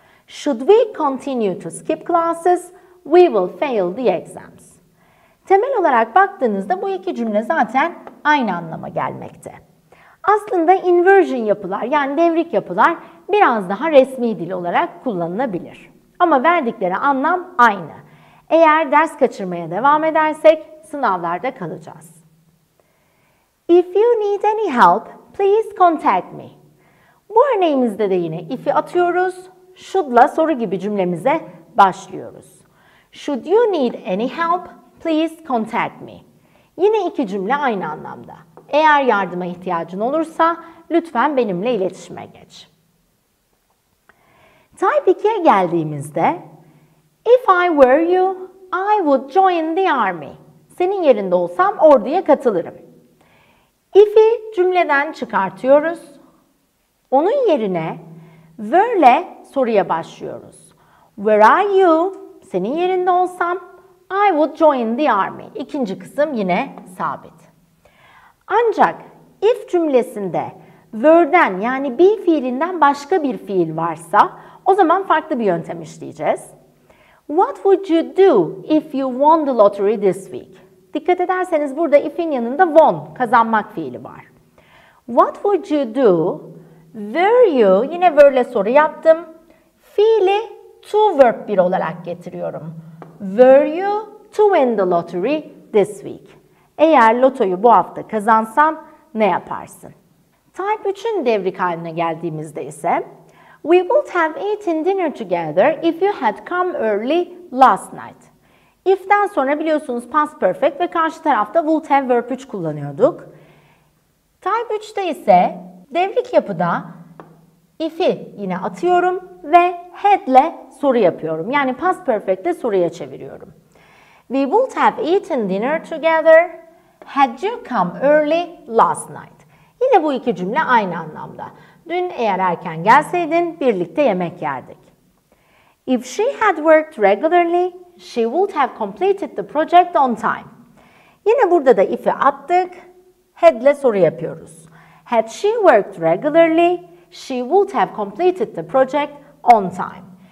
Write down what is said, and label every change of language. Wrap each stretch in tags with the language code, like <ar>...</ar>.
<en>Should we continue to skip classes, we will fail the exams.</en> <tr>Temel olarak baktığınızda bu iki cümle zaten aynı anlama gelmekte. Aslında inversion yapılar, yani devrik yapılar biraz daha resmi dil olarak kullanılabilir. Ama verdikleri anlam aynı. Eğer ders kaçırmaya devam edersek sınavlarda kalacağız.</tr> <en>If you need any help, please contact me.</en> <tr>Bu örneğimizde de yine if'i atıyoruz, should'la soru gibi cümlemize başlıyoruz.</tr> <en>Should you need any help, please contact me.</en> <tr>Yine iki cümle aynı anlamda. Eğer yardıma ihtiyacın olursa lütfen benimle iletişime geç.</tr> <en>Type</en> <tr>2'ye geldiğimizde</tr> <en>if I were you, I would join the army.</en> <tr>Senin yerinde olsam orduya katılırım. If'i cümleden çıkartıyoruz. Onun yerine were'le soruya başlıyoruz.</tr> <en>Where are you?</en> <tr>Senin yerinde olsam</tr> <en>I would join the army.</en> <tr>İkinci kısım yine sabit. Ancak if cümlesinde were'den, yani be fiilinden başka bir fiil varsa o zaman farklı bir yöntem işleyeceğiz.</tr> <en>What would you do if you won the lottery this week?</en> <tr>Dikkat ederseniz burada if'in yanında won, kazanmak fiili var.</tr> <en>What would you do? Were you?</en> <tr>Yine were'le soru yaptım. Fiili to verb 1 olarak getiriyorum.</tr> <en>Were you to win the lottery this week?</en> <tr>Eğer lotoyu bu hafta kazansan ne yaparsın?</tr> <en>Type</en> <tr>3'ün devrik haline geldiğimizde ise</tr> <en>we would have eaten dinner together if you had come early last night.</en> <tr>If'den sonra biliyorsunuz past perfect ve karşı tarafta would have verb 3 kullanıyorduk. Type 3'te ise devrik yapıda if'i yine atıyorum ve had'le soru yapıyorum. Yani past perfect'le soruya çeviriyorum.</tr> <en>We would have eaten dinner together had you come early last night.</en> <tr>Yine bu iki cümle aynı anlamda. Dün eğer erken gelseydin birlikte yemek yerdik.</tr> <en>If she had worked regularly, she would have completed the project on time.</en> <tr>Yine burada da if'i attık, had'le soru yapıyoruz.</tr> <en>Had she worked regularly, she would have completed the project on time.</en>